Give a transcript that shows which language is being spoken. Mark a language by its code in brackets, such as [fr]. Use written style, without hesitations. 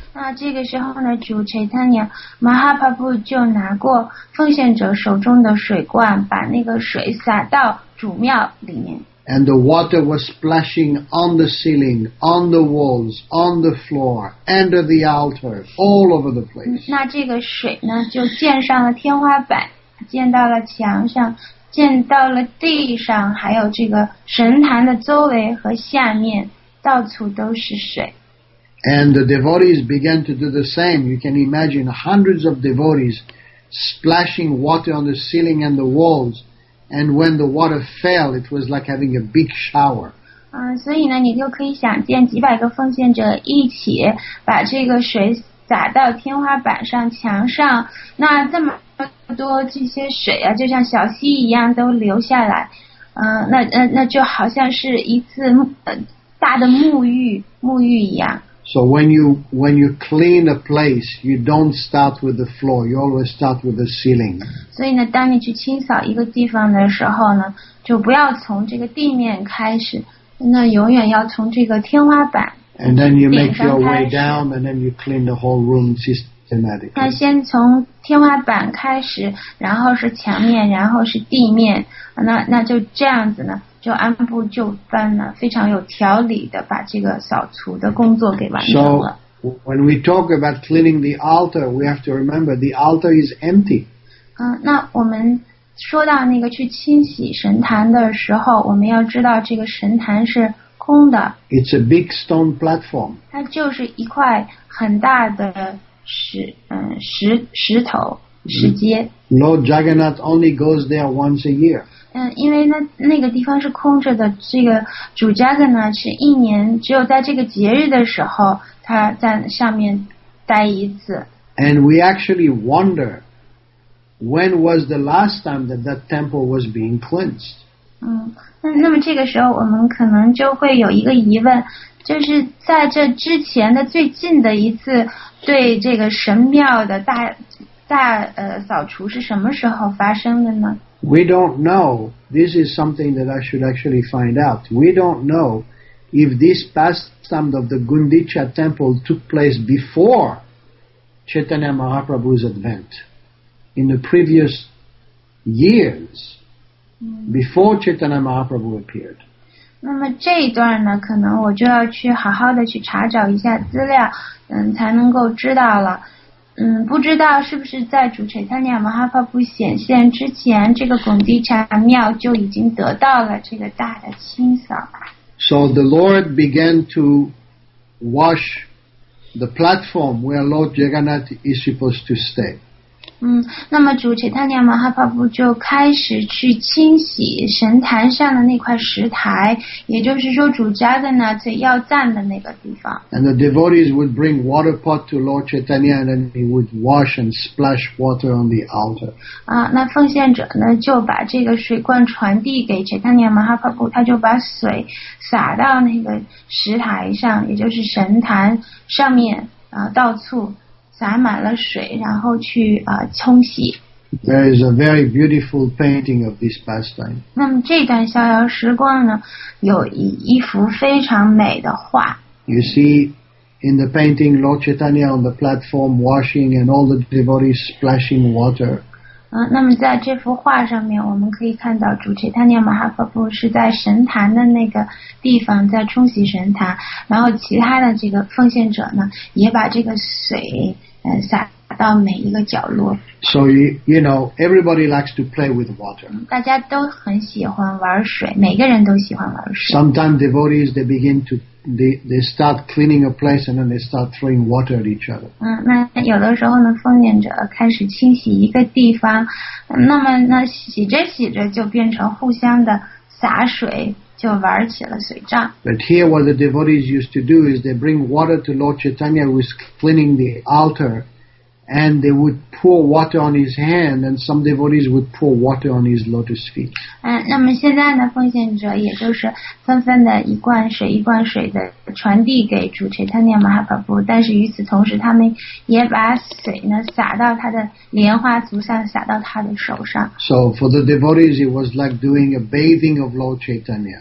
[zh] 那这个时候呢，主 Chaitanya Mahaprabhu 就拿过奉献者手中的水罐，把那个水洒到主庙里面。 [en] And the water was splashing on the ceiling, on the walls, on the floor, under the altar, all over the place. [zh] 那这个水呢，就溅上了天花板，溅到了墙上，溅到了地上，还有这个神坛的周围和下面，到处都是水。 [en] And the devotees began to do the same. You can imagine hundreds of devotees splashing water on the ceiling and the walls. And when the water fell, it was like having a big shower. [zh] 所以呢，你就可以想见几百个奉献者一起把这个水洒到天花板上墙上，那这么多这些水啊就像小溪一样都流下来，那就好像是一次大的沐浴一样。 [en] So when you clean a place, you don't start with the floor, you always start with the ceiling. [zh] 所以呢，当你去清扫一个地方的时候呢，就不要从这个地面开始，那永远要从这个天花板。 [en] And then you make your way down, and then you clean the whole room systematically. [zh] 那先从天花板开始，然后是墙面，然后是地面，那就这样子呢。就按部就班了，非常有条理的把这个扫除的工作给完成了。 [en] So when we talk about cleaning the altar, we have to remember the altar is empty. [zh] 那我们说到那个去清洗神坛的时候，我们要知道这个神坛是空的。 [en] It's a big stone platform. [zh] 它就是一块很大的石头石阶。 [en] Lord Jagannath only goes there once a year. [zh] 因为那个地方是空着的，这个主加格呢是一年只有在这个节日的时候他在上面待一次。 [en] And we actually wonder when was the last time that temple was being cleansed. [zh] 那么这个时候我们可能就会有一个疑问，就是在这之前的最近的一次对这个神庙的大扫除是什么时候发生的呢？ [en] We don't know. This is something that I should actually find out. We don't know if this pastime of the Gundicha temple took place before Chaitanya Mahaprabhu's advent. In the previous years, before Chaitanya Mahaprabhu appeared. [zh] 那么这一段呢，可能我就要去好好的去查找一下资料，才能够知道了。不知道是不是在主陈塔尼亚摩哈帕布显现之前，这个拱地禅庙就已经得到了这个大的清扫。 [en] So the Lord began to wash the platform where Lord Jagannath is supposed to stay. [zh] 那么主陈塔尼亚摩哈帕布就开始去清洗神坛上的那块石台，也就是说主加的呢最要站的那个地方。 [en] And the devotees would bring water pot to Lord Chaitanya, and then he would wash and splash water on the altar. [zh] 那奉献者呢就把这个水罐传递给陈塔尼亚摩哈帕布，他就把水洒到那个石台上，也就是神坛上面到处洒满了水，然后去冲洗。 [en] There is a very beautiful painting of this pastime. [zh] 那么这段逍遥时光呢，有一幅非常美的画。 [en] You see, in the painting, Lord Chaitanya on the platform washing and all the devotees splashing water. [zh] 那么在这幅画上面，我们可以看到主 Chaitanya Mahaprabhu 是在神坛的那个地方在冲洗神坛，然后其他的这个奉献者呢，也把这个水洒到每一个角落。 [en] So you know, everybody likes to play with water. [zh] 大家都很喜欢玩水，每个人都喜欢玩水。 [en] Sometimes devotees they begin to they start cleaning a place and then they start throwing water at each other. [zh] 那有的时候呢，奉献者开始清洗一个地方，那么洗着洗着就变成互相的洒水，就玩起了水仗。 [en] But here, what the devotees used to do is they bring water to Lord Chaitanya who is cleaning the altar. And they would pour water on his hand, and some devotees would pour water on his lotus feet. [zh] 那么现在呢，奉献者也就是纷纷的一罐水一罐水的传递给主陈塔尼亚马哈帕布，但是与此同时，他们也把水呢洒到他的莲花足上，洒到他的手上。 [en] So for the devotees, it was like doing a bathing of Lord Chaitanya.